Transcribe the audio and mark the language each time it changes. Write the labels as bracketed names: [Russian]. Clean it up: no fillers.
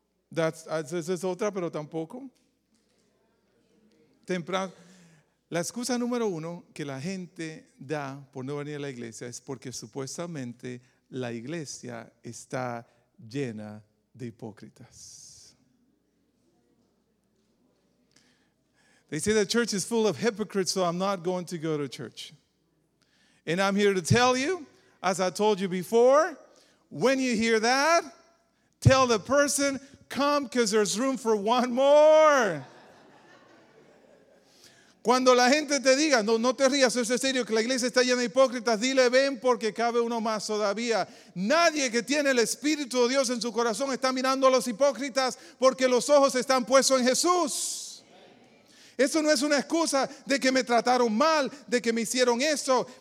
[Spanish] Esa es otra, pero tampoco. Temprano. La excusa número uno que la gente da por no venir a la iglesia es porque supuestamente la iglesia está llena de hipócritas. [English] They say the church is full of hypocrites, so I'm not going to go to church. And I'm here to tell you, as I told you before, when you hear that, tell the person, come, because there's room for one more. [Spanish] Cuando la gente te diga, no te rías, eso es serio, que la iglesia está llena de hipócritas, dile, ven porque cabe uno más todavía. Nadie que tiene el Espíritu de Dios en su corazón está mirando a los hipócritas porque los ojos están puestos en Jesús. Eso no es una excusa de que me trataron mal, de que me hicieron eso.